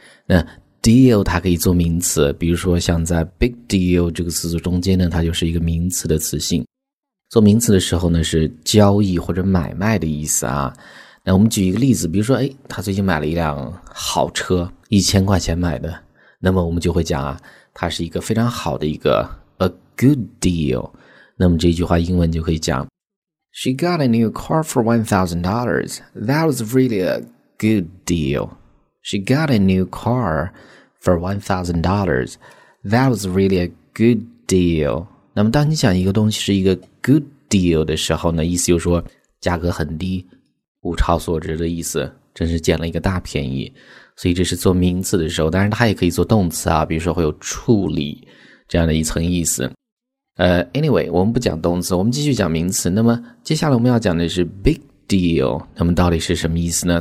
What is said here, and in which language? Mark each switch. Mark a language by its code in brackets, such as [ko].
[zh] 那 deal 它可以做名词，比如说像在 big deal 这个词组中间呢，它就是一个名词的词性。做名词的时候呢，是交易或者买卖的意思啊。那我们举一个例子，比如说，他最近买了一辆好车，1000块钱买的。那么我们就会讲啊，它是一个非常好的一个 [en] a good deal。 [zh] 那么这句话英文就可以讲 [en] ，She got a new car for $1,000. That was really a good deal. She got a new car for $1,000. That was really a good deal. [zh] 那么当你讲一个东西是一个 good deal 的时候呢，意思就是说价格很低。物超所值的意思，真是捡了一个大便宜。所以这是做名词的时候，当然它也可以做动词啊，比如说会有处理这样的一层意思。 Anyway， 我们不讲动词，我们继续讲名词。那么接下来我们要讲的是 big deal， 那么到底是什么意思呢？